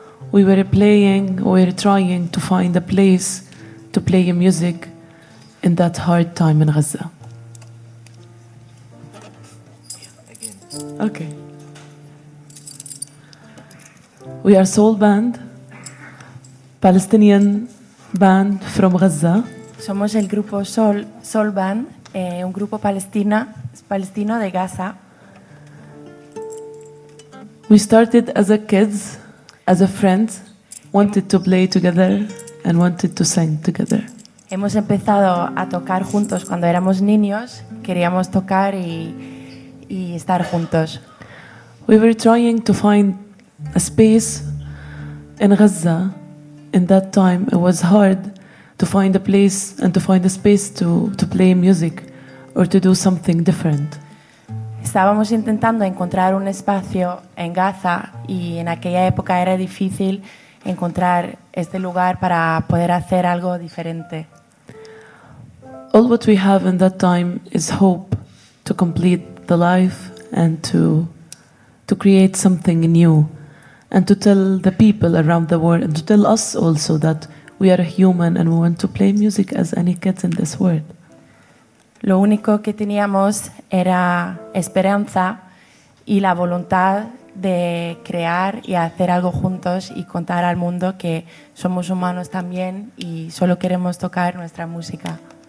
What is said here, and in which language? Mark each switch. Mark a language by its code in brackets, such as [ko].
[en] We were playing, we were trying to find a place to play music in that hard time in Gaza. Okay. We are Sol Band, Palestinian band from Gaza. [es] Somos el grupo Sol Band, un grupo palestino de Gaza. [en] We started as a kids, as a friends, wanted to play together and wanted to sing together. [es] Hemos empezado a tocar juntos cuando éramos niños, queríamos tocar y estar juntos. [en] We were trying to find a space in Gaza. In that time it was hard to find a place and to find a space to play music or to do something different. [es] Estábamos intentando encontrar un espacio en Gaza y en aquella época era difícil encontrar este lugar para poder hacer algo diferente. [en] All what we have in that time is hope to complete the life and to create something new. And to tell the people around the world, and to tell us also that we are a human and we want to play music as any kids in this world. [es] Lo único que teníamos era esperanza y la voluntad de crear y hacer algo juntos y contar al mundo que somos humanos también y solo queremos tocar nuestra música.